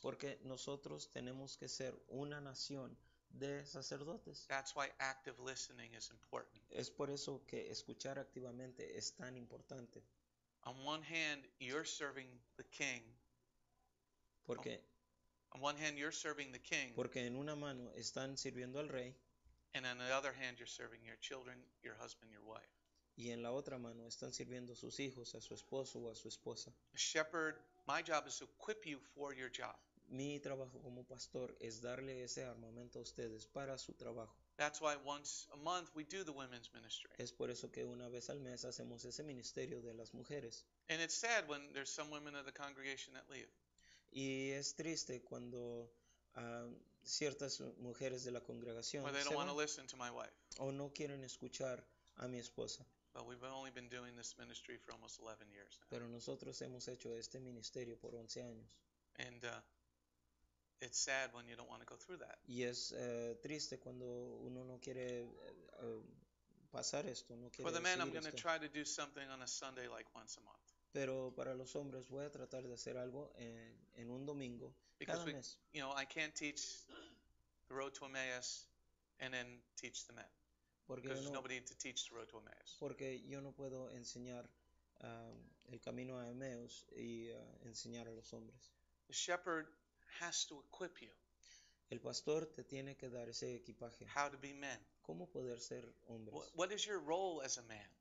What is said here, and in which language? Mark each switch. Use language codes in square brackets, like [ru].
[es] Porque nosotros tenemos que ser una nación de sacerdotes. [en] That's why active listening is important. [es] Es por eso que escuchar activamente es tan importante. [en] On one hand, you're serving the king. [es] Porque [en] on one hand, you're serving the king. [es] Porque en una mano están sirviendo al rey. [en] And on the other hand, you're serving your children, your husband, your wife. [es] Y en la otra mano están sirviendo a sus hijos, a su esposo o a su esposa. [en] A shepherd, my job is to equip you for your job. [es] Mi trabajo como pastor es darle ese armamento a ustedes para su trabajo. [en] That's why once a month we do the women's ministry. [es] Es por eso que una vez al mes hacemos ese ministerio de las mujeres. [en] And it's sad when there's some women of the congregation that leave. [es] Y es triste cuando ciertas mujeres de la congregación [en] or they don't want to listen to my wife. [es] O no quieren escuchar a mi esposa. [en] But we've only been doing this ministry for almost 11 years now. [es] Pero nosotros hemos hecho este ministerio por 11 años. [en] And it's sad when you don't want to go through that. [es] Y es triste cuando uno no quiere pasar esto, no quiere. [en] For the men, I'm going to try to do something on a Sunday like once a month. [es] Pero para los hombres voy a tratar de hacer algo en un domingo [en] because [es] cada mes. [en] You know, I can't teach the road to Emmaus and then teach the men. [es] Porque [en] there's nobody to teach the road to Emmaus. [es] Porque yo no puedo enseñar el camino a Emmaus y enseñar a los hombres. [en] The shepherd has to equip you. [es] El pastor te tiene que dar ese equipaje. [en] How to be men. [es] ¿Cómo poder ser hombres? [en] What is your role as a man?